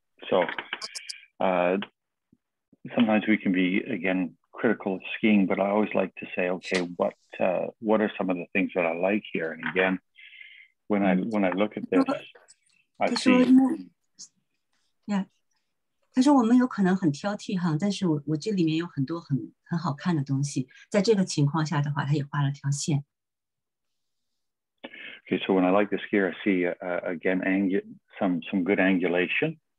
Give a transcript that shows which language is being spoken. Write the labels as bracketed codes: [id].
[en] So sometimes we can be, again, critical of skiing, but I always like to say, okay, what are some of the things that I like here? And again, when I look at this, I see... [zh] Yeah. 他说我们有可能很挑剔哈，但是我这里面有很多很好看的东西。在这个情况下的话，他也画了条线。 [en] Okay, so when I like this here, I see, again, some good angulation.